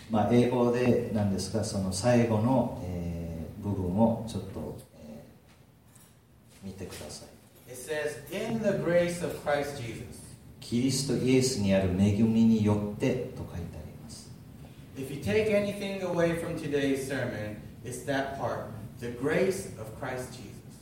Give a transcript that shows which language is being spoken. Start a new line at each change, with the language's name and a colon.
Japanese: 英語でなんですが、その最後の、部分をちょっと見てください。
English: It says, in the grace of Christ Jesus.
Japanese: キリストイエスにある恵みによってと書いてあります。
English: If you take anything away from today's sermon, it's that part, the grace of Christ Jesus.